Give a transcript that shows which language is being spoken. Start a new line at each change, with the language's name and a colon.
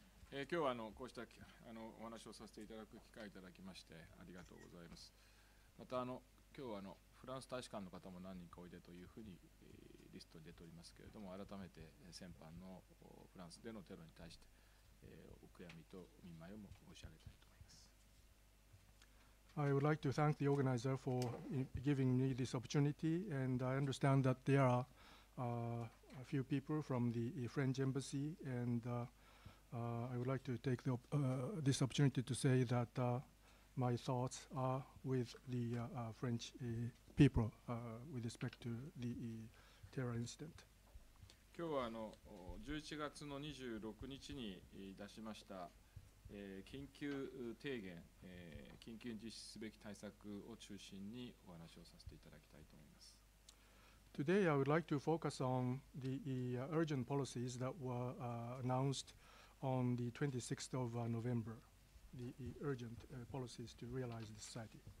Japanese: 今日はこうしたお話をさせていただく機会いただきましてありがとうございます。また今日はフランス大使館の方も何人かおいでというふうにリストに出ておりますけれども、改めて先般のフランスでのテロに対してお悔やみとお見舞いを申し上げたいと思います。
English: I would like to thank the organizer for giving me this opportunity, and I understand that there are a few people from the French embassy, and I would like to take the, this opportunity to say that my thoughts are with the French people with respect to theテロインシデント。
Japanese: 今日は11月の26日に出しました、緊急提言、緊急実施すべき対策を中心にお話をさせていただきたいと思います。
English: Today I would like to focus on the urgent policies that were announced on the 26th of November, the urgent policies to realize the society.